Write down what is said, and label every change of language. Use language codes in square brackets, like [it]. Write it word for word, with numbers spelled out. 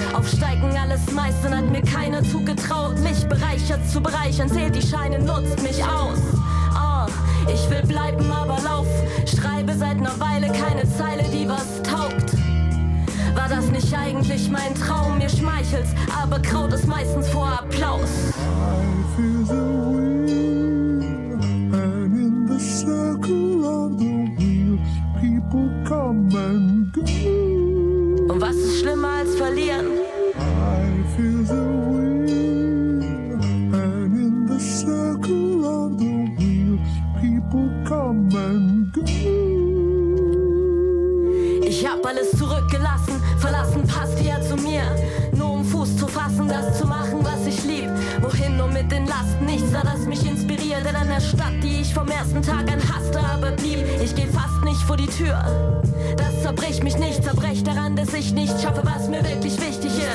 [de] Aufsteigen alles meistern hat mir keiner zugetraut. Mich bereichert zu bereichern, zählt die Scheine, nutzt mich aus. Oh, ich will bleiben, aber lauf. Schreibe seit einer Weile keine Zeile, die was taugt. War das nicht eigentlich mein Traum? Mir schmeichelt's, aber Kraut ist meistens vor Applaus. [en] I feel the wind, and in the circle of the wheel, people come and go. [de] Und was ist schlimmer als verlieren? [en] I feel the wind, and in the circle of the wheel, people come and go. [de] Ich hab alles zurückgelassen, verlassen passt ja zu mir. Nur um Fuß zu fassen, das zu machen, was ich lieb. Wohin nur mit den Lasten? Nichts da, das mich inspiriert. Denn an der Stadt, die ich vom ersten Tag an hasste, aber blieb. Ich geh fast nicht vor die Tür. Das zerbricht mich nicht, zerbrech daran, dass ich nicht schaffe, was mir wirklich wichtig ist.